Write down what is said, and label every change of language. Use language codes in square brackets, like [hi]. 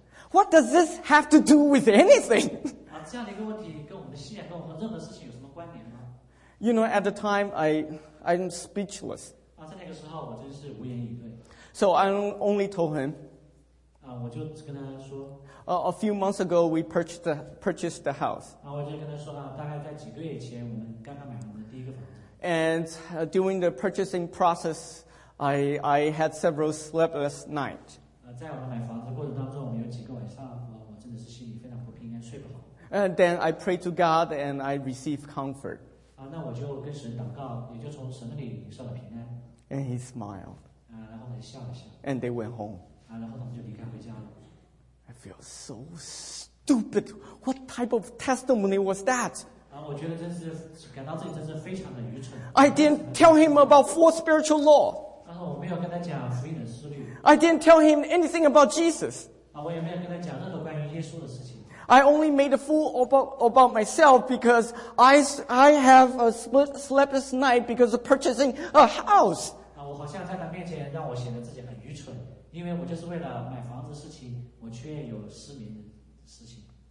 [en] What does this have to do with anything? [zh] 啊，这样的一个问题，跟我们的信仰，跟我们任何事情有什么关联吗？ [en] You know, at the time, I'm speechless. [zh] 啊，在那个时候，我真是无言以对。 [en] So I only told him. [zh] 啊，我就跟他说。 [en] A few months ago, we purchased the house. [zh] 啊，我就跟他说啊，大概在几个月前，我们刚刚买了我们的第一个房子。 [en] And during the purchasing process, I had several sleepless nights. [zh] 在我们买房子过程当中，我们有几个晚上，我真的是心里非常不平安，睡不好。 [en] And then I pray to God and I receive comfort. [zh] 啊，那我就跟神祷告，也就从神那里领受了平安。 [en] And he smiled. [zh] 啊，然后他笑了笑。 [en] And they went home. [zh] 啊，然后他们就离开回家了。 [en] I feel so stupid. What type of testimony was that? [zh] 我觉得真是感到自己真是非常的愚蠢。 [en] I didn't tell him about four spiritual law. [zh] 我没有跟他讲福音的思虑。 [en] I didn't tell him anything about Jesus. [zh] 我也没有跟他讲任何关于耶稣的事情。 [en] I only made a fool about myself because I have a sleepless night because of purchasing a house. [zh] 我好像在他面前让我显得自己很愚蠢，因为我就是为了买房子事情，我却有失眠的事情。